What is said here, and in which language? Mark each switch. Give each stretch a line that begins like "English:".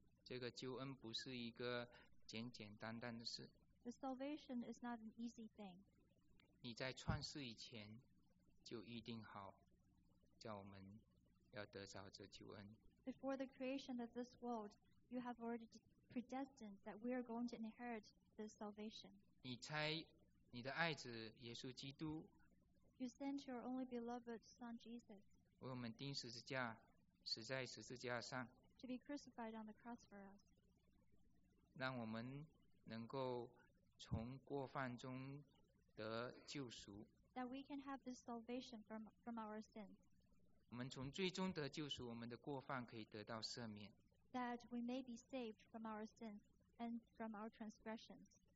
Chinese: 这个救恩不是一个简简单单的事。
English: The salvation is not an easy thing.
Chinese: 你在创世以前就预定好，叫我们要得着这救恩。
English: Before the creation of this world, you have already predestined that we are going to inherit this salvation.
Chinese: 你差你的爱子耶稣基督。
English: You sent your only beloved Son Jesus.
Chinese: 为我们钉十字架，死在十字架上。
English: To be crucified on the cross for us.
Chinese: 让我们能够从过犯中得救赎。
English: That we can have this salvation from our sins.
Chinese: 我们从最终得救赎，我们的过犯可以得到赦免。
English: That we may be saved from our sins and from our transgressions.